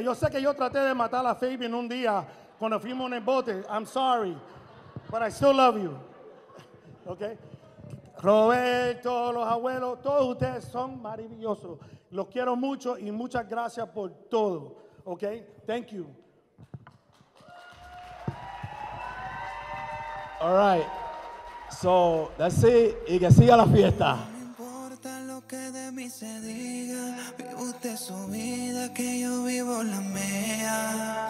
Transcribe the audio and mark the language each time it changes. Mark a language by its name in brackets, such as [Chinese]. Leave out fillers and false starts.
[Spanish] Yo sé que yo traté de matar a Fabian un día cuando fuimos en el bote. [English] I'm sorry, but I still love you, okay? [Spanish] Roberto, los abuelos, todos ustedes son maravillosos. Los quiero mucho y muchas gracias por todo. [English] Okay? Thank you. All right. So, that's it. [Spanish] Y que siga la fiesta. No me importa lo que de mí se diga. Vive usted su vida, que yo vivo la mía.